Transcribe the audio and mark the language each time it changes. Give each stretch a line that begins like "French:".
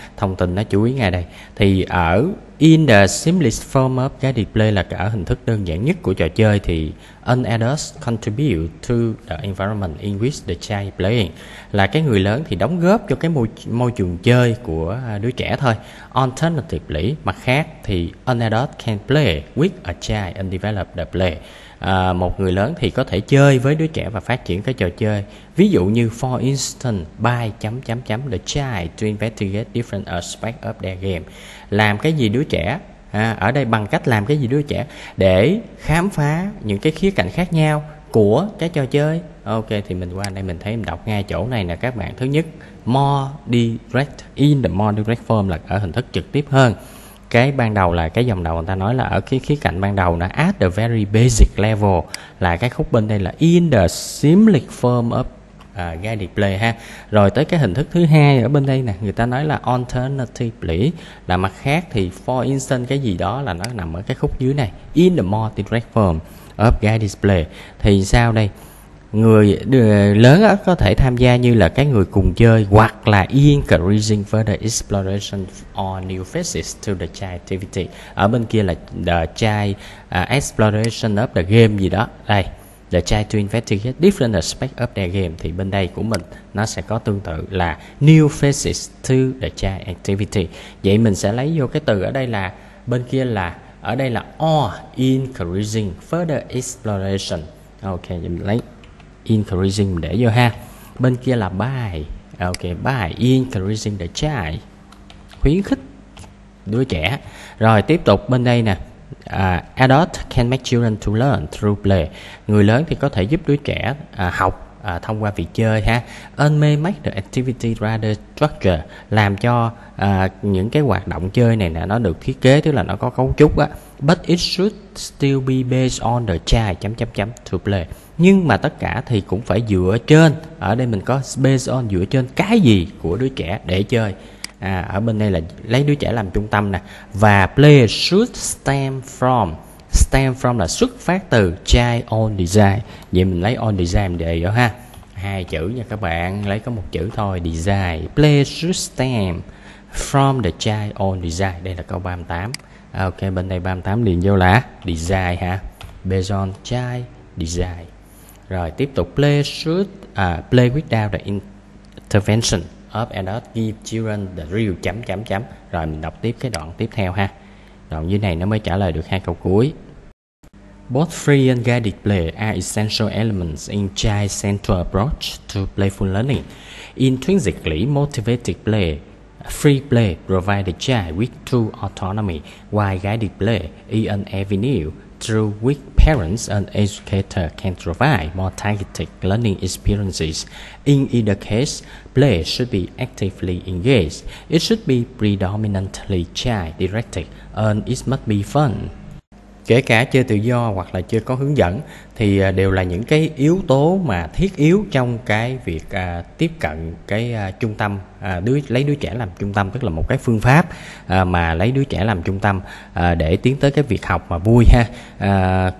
Vietnamese: Thông tin nó chú ý ngay đây. Thì ở
English: in the simplest form of guided play
Vietnamese: là cả hình thức đơn giản nhất của trò chơi, thì
English: an adult contribute to the environment in which the child is playing
Vietnamese: là cái người lớn thì đóng góp cho cái môi trường chơi của đứa trẻ thôi.
English: Alternatively,
Vietnamese: mặt khác thì
English: an adult can play with a child and develop the play.
Vietnamese: Một người lớn thì có thể chơi với đứa trẻ và phát triển cái trò chơi. Ví dụ như
English: for instance by the child to investigate different aspects of their game.
Vietnamese: Làm cái gì đứa trẻ? Ở đây bằng cách làm cái gì đứa trẻ? Để khám phá những cái khía cạnh khác nhau của cái trò chơi. Ok, thì mình qua đây mình thấy mình đọc ngay chỗ này nè các bạn. Thứ nhất,
English: more direct, in the more direct form
Vietnamese: là ở hình thức trực tiếp hơn. Cái ban đầu là cái dòng đầu người ta nói là ở cái khía cạnh ban đầu nó
English: at the very basic level,
Vietnamese: là cái khúc bên đây là
English: in the simplest form of guided play
Vietnamese: ha. Rồi tới cái hình thức thứ hai ở bên đây nè, người ta nói là alternatively, là mặt khác thì
English: for instance
Vietnamese: cái gì đó là nó nằm ở cái khúc dưới này,
English: in the more direct form of guided play.
Vietnamese: Thì sao đây? Người lớn có thể tham gia như là cái người cùng chơi, hoặc là
English: encouraging further exploration or new phases to the child activity.
Vietnamese: Ở bên kia là
English: the child exploration of the game
Vietnamese: gì đó.
English: Đây, the child to investigate different aspects of their game.
Vietnamese: Thì bên đây của mình nó sẽ có tương tự là
English: new phases to the child activity.
Vietnamese: Vậy mình sẽ lấy vô cái từ ở đây là bên kia là ở đây là
English: or encouraging further exploration.
Vietnamese: Ok, vậy mình lấy encouraging để vô ha. Bên kia là by. Ok,
English: by encouraging the child,
Vietnamese: khuyến khích đứa trẻ. Rồi tiếp tục bên đây nè,
English: adult can make children to learn through play.
Vietnamese: Người lớn thì có thể giúp đứa trẻ học thông qua việc chơi ha.
English: And may make the activity rather structure,
Vietnamese: làm cho những cái hoạt động chơi này nè nó được thiết kế, tức là nó có cấu trúc á.
English: But it should still be based on the child to play.
Vietnamese: Nhưng mà tất cả thì cũng phải dựa trên, ở đây mình có based on, dựa trên cái gì của đứa trẻ để chơi. Ở bên đây là lấy đứa trẻ làm trung tâm nè. Và
English: play should stem from.
Vietnamese: Stem from là xuất phát từ
English: child own desire.
Vietnamese: Vậy mình lấy own desire để vô ha. Hai chữ nha các bạn, lấy có một chữ thôi, desire.
English: Play should stem from the child own desire.
Vietnamese: Đây là câu 38. Ok, bên đây 38 liền vô là desire ha.
English: Based on child desire.
Vietnamese: Rồi tiếp tục,
English: play without the intervention of adults give children the real
Vietnamese: chấm chấm chấm. Rồi mình đọc tiếp cái đoạn tiếp theo ha. Đoạn dưới này nó mới trả lời được hai câu cuối.
English: Both free and guided play are essential elements in child-centered approach to playful learning. Intrinsically motivated play, free play provides the child with true autonomy, while guided play is an avenue through which parents and educators can provide more targeted learning experiences. In either case, play should be actively engaged. It should be predominantly child-directed and it must be fun.
Vietnamese: Kể cả chơi tự do hoặc là chơi có hướng dẫn thì đều là những cái yếu tố mà thiết yếu trong cái việc tiếp cận cái trung tâm, lấy đứa trẻ làm trung tâm, tức là một cái phương pháp mà lấy đứa trẻ làm trung tâm để tiến tới cái việc học mà vui ha.